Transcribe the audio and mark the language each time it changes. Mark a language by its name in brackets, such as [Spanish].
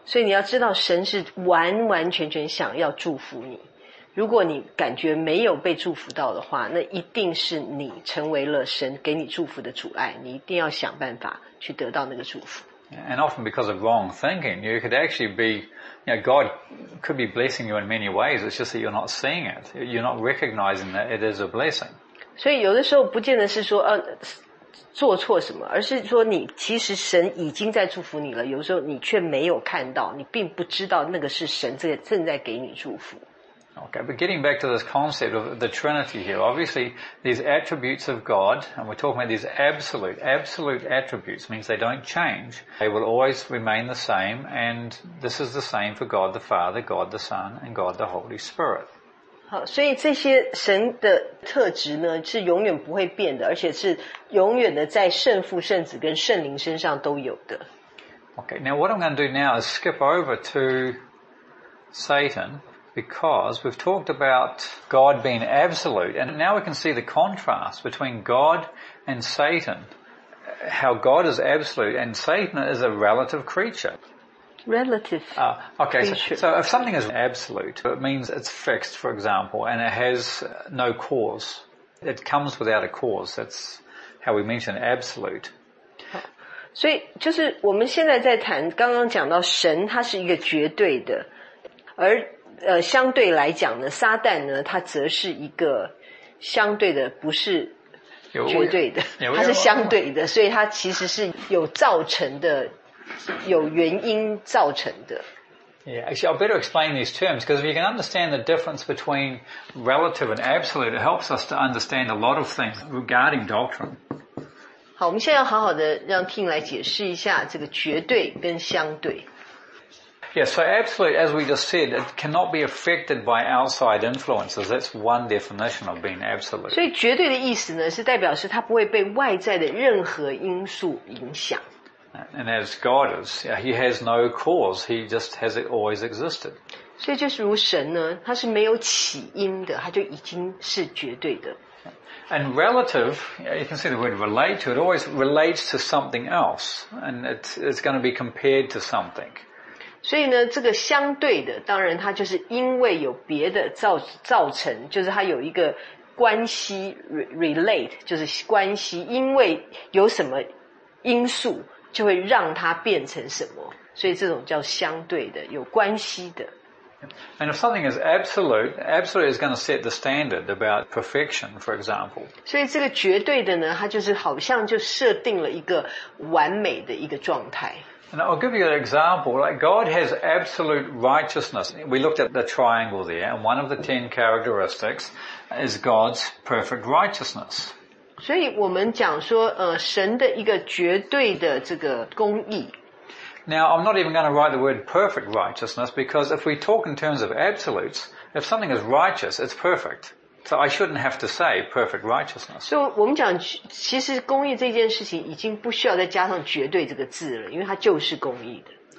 [Chinese] 所以你要知道，神是完完全全想要祝福你。如果你感觉没有被祝福到的话，那一定是你成为了神给你祝福的阻碍。你一定要想办法去得到那个祝福。 [English] And often because of wrong thinking, you could actually be, you know, God could be blessing you in many ways, it's just that you're not seeing it. You're not recognizing that it is a blessing. [Chinese] 所以有的时候不见得是说、做错什么，而是说你其实神已经在祝福你了，有时候你却没有看到，你并不知道那个是神正在给你祝福。 [English] Okay, but getting back to this concept of the Trinity here, obviously these attributes of God, and we're talking about these absolute attributes, means they don't change. They will always remain the same, and this is the same for God the Father, God the Son, and God the Holy Spirit. [Chinese] 好，所以这些神的特质呢，是永远不会变的，而且是永远的在圣父、圣子跟圣灵身上都有的。 [English] Okay, now what I'm going to do now is skip over to Satan. Because we've talked about God being absolute, and now we can see the contrast between God and Satan. How God is absolute and Satan is a relative creature. Relative. Okay, so if something is absolute, it means it's fixed, for example, and it has no cause. It comes without a cause. That's how we mention absolute. [Chinese] 所以就是我们现在在谈，刚刚讲到神，他是一个绝对的，而相对来讲呢，撒旦呢，他则是一个相对的，不是绝对的，他是相对的，所以他其实是有造成的，有原因造成的。 [English] Yeah, actually, I'll better explain these terms because if you can understand the difference between relative and absolute, it helps us to understand a lot of things regarding doctrine. [Chinese] 好，我们现在要好好的让听来解释一下这个绝对跟相对。 [English] Yes, so absolute, as we just said, it cannot be affected by outside influences. That's one definition of being absolute. [Chinese] 所以绝对的意思呢，是代表是它不会被外在的任何因素影响。 [English] And as God is, He has no cause. He just has it always existed. [Chinese] 所以就是如神呢，它是没有起因的，它就已经是绝对的。 [English] And relative, you can see the word relate to, it always relates to something else. And it's going to be compared to something. [Chinese] 所以呢，这个相对的，当然它就是因为有别的造成，就是它有一个关系 relate， 就是关系，因为有什么因素就会让它变成什么，所以这种叫相对的，有关系的。 [English] And if something is absolute, absolute is going to set the standard about perfection, for example. [Chinese] 所以这个绝对的呢，它就是好像就设定了一个完美的一个状态。 [English] And I'll give you an example. Like God has absolute righteousness. We looked at the triangle there, and one of the 10 characteristics is God's perfect righteousness. [Chinese] 所以我们讲说，神的一个绝对的这个公义。 [English] Now, I'm not even going to write the word perfect righteousness, because if we talk in terms of absolutes, if something is righteous, it's perfect. So I shouldn't have to say perfect righteousness. [Chinese] So 我们讲，其实公义这件事情已经不需要再加上绝对这个字了，因为它就是公义的。